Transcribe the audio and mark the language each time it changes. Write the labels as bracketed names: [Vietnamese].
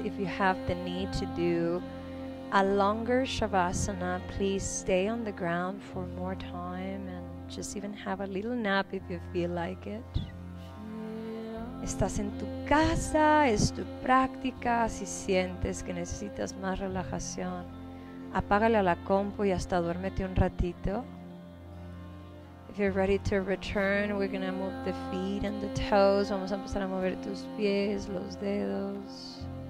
[English] If you have the need to do a longer shavasana, please stay on the ground for more time and just even have a little nap if you feel like it. [Spanish] Estás en tu casa, es tu práctica. Si sientes que necesitas más relajación, apágale a la compu y hasta duérmete un ratito. [English] If you're ready to return, we're going to move the feet and the toes. [Spanish] Vamos a empezar a mover tus pies, los dedos.